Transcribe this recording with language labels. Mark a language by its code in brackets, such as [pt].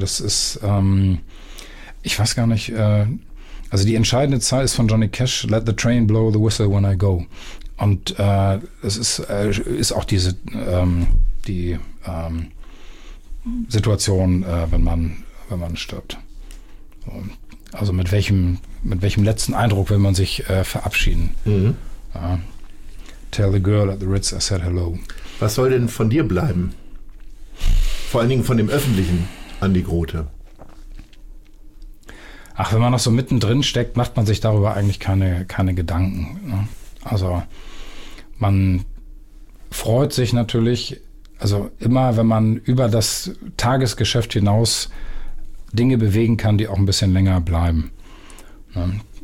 [de] Das ist, ich weiß gar nicht, also die entscheidende Zeile ist von Johnny Cash, [en] Let the train blow the whistle when I go. [de] Und es ist auch diese die Situation, wenn man stirbt. Also mit welchem letzten Eindruck will man sich verabschieden? Mhm. [en] Tell the girl at the Ritz I said hello. [de] Was soll denn von dir bleiben? Vor allen Dingen von dem Öffentlichen, Andy Grote. Ach, wenn man noch so mittendrin steckt, macht man sich darüber eigentlich keine Gedanken. Ne? Also man freut sich natürlich, also immer, wenn man über das Tagesgeschäft hinaus Dinge bewegen kann, die auch ein bisschen länger bleiben. Ne?